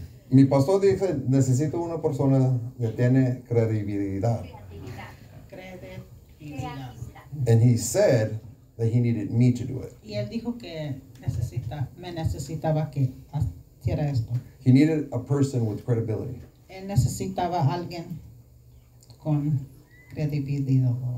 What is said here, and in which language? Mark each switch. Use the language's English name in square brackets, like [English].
[Spanish] Mi pastor dice, necesito una persona que tiene credibilidad. Credibilidad. [English] And he said that he needed me to do it. [Spanish] Y él dijo que necesitaba que hiciera esto. [English] He needed a person with credibility. [Spanish] Él necesitaba alguien con credibilidad.